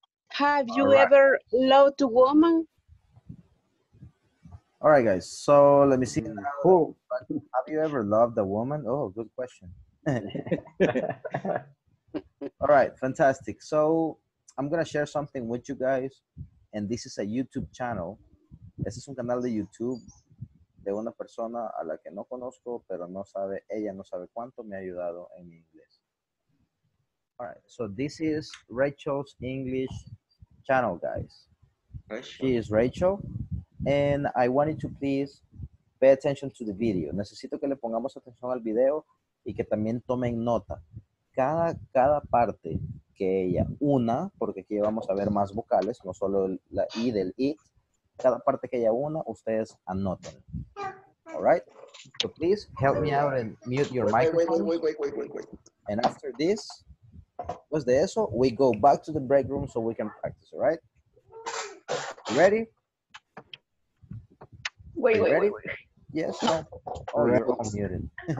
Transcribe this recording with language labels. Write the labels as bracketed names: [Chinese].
[English] Have you ever loved a woman? All right, guys. So let me see. Who? Have you ever loved a woman? Oh, good question. All right, fantastic. So I'm going to share something with you guys. And this is a YouTube channel. [Spanish] Este es un canal de YouTube de una persona a la que no conozco, pero no sabe, ella no sabe cuánto me ha ayudado en mi inglés. [English] All right, so this is Rachel's English channel, guys. She is Rachel. And I wanted to please pay attention to the video. [Spanish] Necesito que le pongamos atención al video y que también tomen nota. Cada parte que ella una, porque aquí vamos a ver más vocales, no solo la I del I, cada parte que ella una, ustedes anoten. [English] All right? So please help me out and mute your microphone. Wait. And after this, [Spanish] pues de eso, [English] we go back to the break room so we can practice, all right? You ready? Wait. Yes, no. All right, I'm muted.